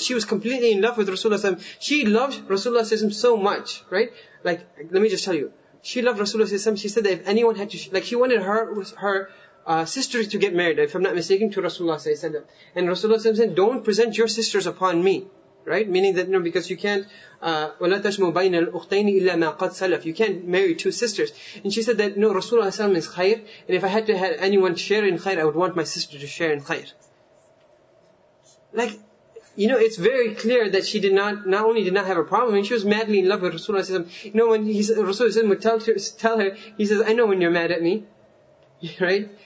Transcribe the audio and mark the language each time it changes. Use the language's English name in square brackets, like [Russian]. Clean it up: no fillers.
[English] She was completely in love with Rasulullah. She loved Rasulullah so much, right? Like, let me just tell you. She loved Rasulullah. She said that if anyone had to... Like, she wanted her sister to get married, if I'm not mistaken, to Rasulullah. And Rasulullah said, don't present your sisters upon me. Right? Meaning that, you know, because you can't, [Arabic] وَلَا تَجْمُوا بَيْنَ الْأُخْتَيْنِ إِلَّا مَا قَدْ سَلَفْ. [English] You can't marry two sisters. And she said that, no, Rasulullah is khair, and if I had to have anyone share in khair, I would want my sister to share in khair. Like, you know, it's very clear that she did not only did not have a problem, and she was madly in love with Rasulullah. You know, when Rasulullah would tell her, he says, I know when you're mad at me. Right?